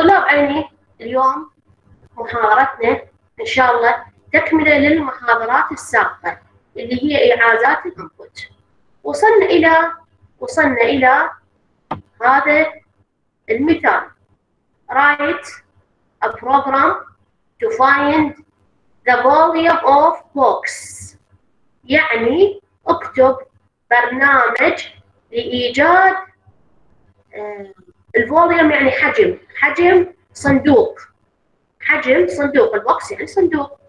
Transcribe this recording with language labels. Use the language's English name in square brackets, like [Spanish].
[Arabic] يعني اليوم محاضرتنا ان شاء الله تكمله للمحاضرات السابقه اللي هي اعازات الانبوت. وصلنا الى هذا المثال [English] write a program to find the volume of books. [Arabic] يعني اكتب برنامج لايجاد الفوليوم يعني حجم صندوق. حجم صندوق البوكس يعني صندوق.